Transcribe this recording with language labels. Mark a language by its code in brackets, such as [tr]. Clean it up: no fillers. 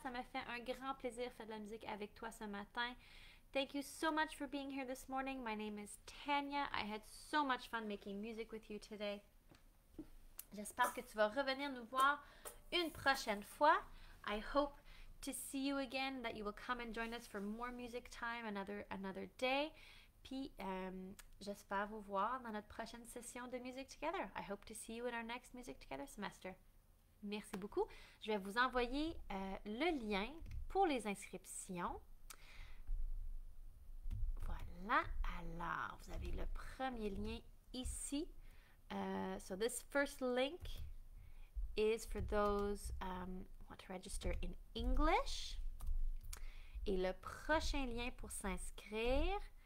[fr] Ça m'a fait un grand plaisir de faire de la musique avec toi ce matin. [en] Thank you so much for being here this morning. My name is Tania. I had so much fun making music with you today. [fr] J'espère que tu vas revenir nous voir une prochaine fois. [en] I hope to see you again, that you will come and join us for more music time another day. [fr] Puis, j'espère vous voir dans notre prochaine session de Music Together. [en] I hope to see you in our next Music Together semester. [fr] Merci beaucoup. Je vais vous envoyer le lien pour les inscriptions. Voilà. Alors, vous avez le premier lien ici. [en] So this first link is for those who want to register in English. [fr] Et le prochain lien pour s'inscrire